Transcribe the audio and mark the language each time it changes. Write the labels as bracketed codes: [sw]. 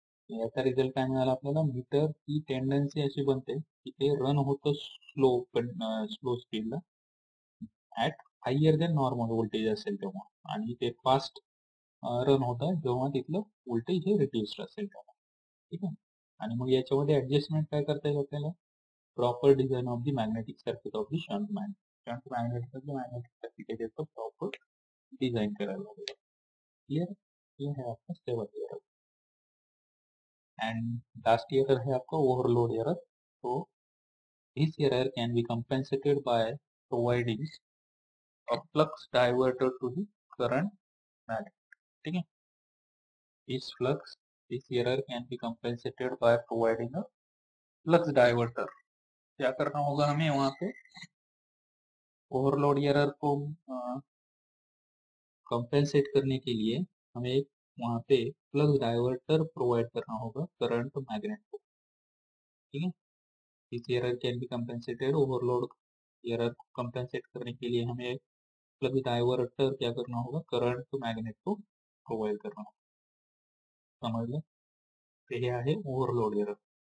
[mr] याचा रिझल्ट काय मिळाला आपल्याला, मीटर ही टेंडन्सी अशी बनते की ते रन होतं slow slow स्पीडला at higher than normal voltage असेल तेव्हा, आणि ते फास्ट रन होत आहे जेव्हा तिथलं व्होल्टेज हे रिड्यूस्ड असेल तेव्हा. ठीक आहे, आणि मग याच्यामध्ये ऍडजस्टमेंट काय करता येईल आपल्याला, [en] Proper design of the magnetic circuit of the shunt magnet. [mr] Shunt magnetic magnetic circuit आहे त्याचं प्रॉपर डिझाईन करायला लागेल. क्लिअर? हे आहे आपलं seventh year. [hi] And last year है आपका ओवरलोड एरर. [en] तो this error can be compensated by providing a flux diverter to the current magnet. ठीक है, this flux this error can be compensated by providing a flux diverter. [hi] क्या करना होगा हमें, वहां पे ओवरलोड एरर को कंपेंसेट करने के लिए हमें एक वहां पे फ्लक्स डाइवर्टर प्रोवाइड करना होगा करंट मैग्नेट को. ठीक है, [en] इस error can be compensated, [hi] overload error को कंपेंसेट करने के लिए हमें फ्लक्स डाइवर्टर क्या करना होगा, करंट मैग्नेट को प्रोवाइड करना होगा. [mr] समझ लो, ते हे आहे ओवरलोड एरर.